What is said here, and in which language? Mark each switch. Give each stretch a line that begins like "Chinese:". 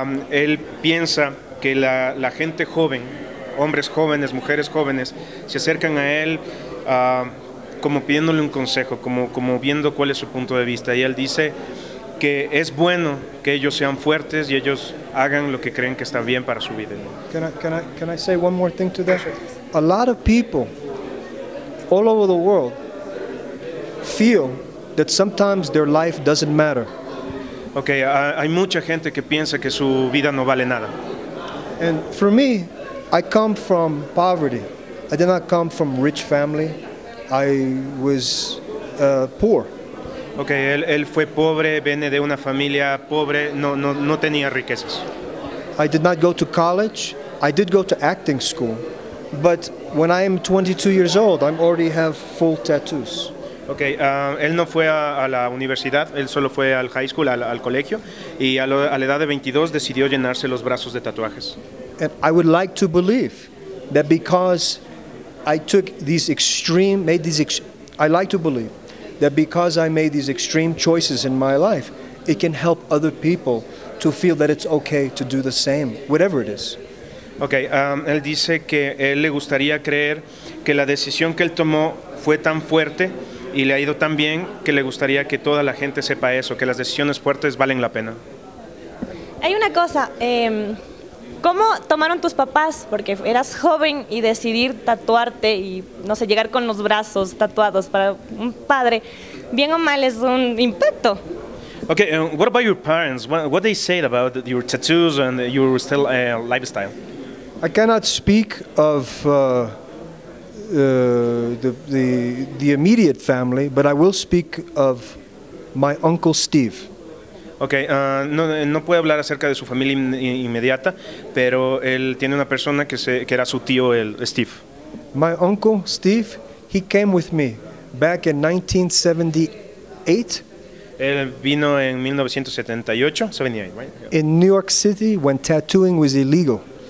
Spanish: Él piensa que la gente joven, hombres jóvenes, mujeres jóvenes, se acercan a él como pidiéndole un consejo, como viendo cuál es su punto de vista. Y él dice que es bueno que ellos sean fuertes y ellos hagan lo que creen que está bien para su vida.
English: Can I say one more thing to that? A lot of people all over the world feel that sometimes their life doesn't matter.
Spanish: Okay, hay mucha gente que piensa que su vida no vale nada.
English: And for me, I come from poverty. I did not come from rich family. I was poor.
Spanish: Okay, él fue pobre, viene de una familia pobre, no tenía riquezas.
English: I did not go to college. I did go to acting school. But when I am 22 years old, I already have full tattoos.
Spanish: Okay, él no fue a la universidad, él solo fue al high school, al colegio, y a la edad de 22 decidió llenarse los brazos de tatuajes.
English: And I would like to believe that because I took these extreme, made these extreme choices in my life, it can help other people to feel that it's okay to do the same, whatever it is.
Spanish: Okay, él dice que él le gustaría creer que la decisión que él tomó fue tan fuerte y le ha ido tan bien que le gustaría que toda la gente sepa eso, que las decisiones fuertes valen la pena. Hay una cosa, ¿cómo tomaron tus papás, porque eras joven y decidir tatuarte y, no sé, llegar con los brazos tatuados para un padre, bien o mal es un impacto?
English: Okay, what about your parents? What they said about your tattoos and your still lifestyle? I cannot speak of the immediate family, but I will speak of my uncle Steve.
Spanish: Okay, no puedo hablar acerca de su familia inmediata, pero él tiene una persona que era su tío, el Steve.
English: My uncle Steve, he came with me back in 1978.
Spanish: Él vino en 1978, 78,
English: right? In New York City, when tattooing was illegal.